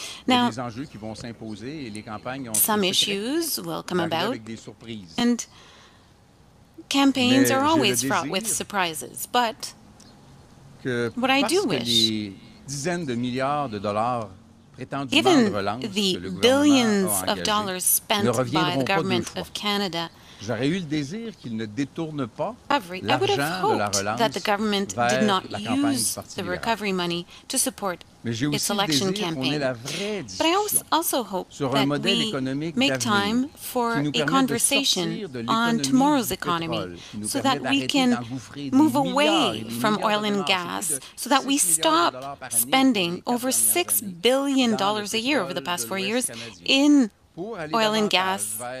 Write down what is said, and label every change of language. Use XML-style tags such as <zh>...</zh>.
<en>Now, some issues will come about, and campaigns are always fraught with surprises. But what I do wish, given the billions of dollars spent by the government of Canada,</en> <fr>j'aurais eu le désir qu'il ne détourne pas l'argent de la relance</fr> <en>that the government did not use the recovery money to support its election campaign. But I also hope that we make time for a conversation on tomorrow's economy so that we can move away from oil and gas, so that we stop spending over $6 billion a year over the past 4 years in oil and gas</en>